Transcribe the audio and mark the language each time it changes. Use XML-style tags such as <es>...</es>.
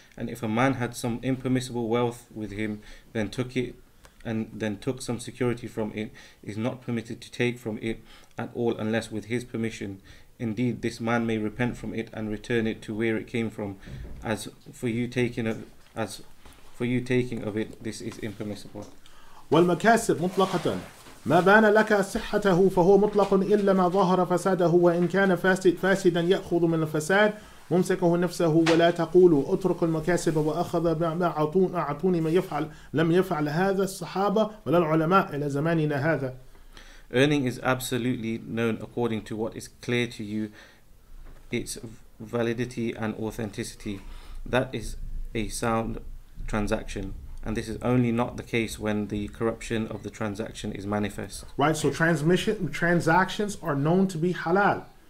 <en>And if a man had some impermissible wealth with him, then took it and then took some security from it, is not permitted to take from it at all unless with his permission. Indeed, this man may repent from it and return it to where it came from. As for you taking of it, this is impermissible.</en> <ar>Well, makasib mutlaqatan. ما بان لك صحته فهو مطلق إلا ما ظهر فساده وإن كان فاسدا يأخذ من الفساد ممسكه نفسه ولا تقول أترك المكاسب وأخذ ما أعطوني ما يفعل لم يفعل هذا الصحابة ولا العلماء إلى زماننا هذا.</ar> <en>Earning is absolutely known according to what is clear to you, its validity and authenticity. That is a sound transaction. And this is only not the case when the corruption of the transaction is manifest. Right, so transactions are known to be halal.</en>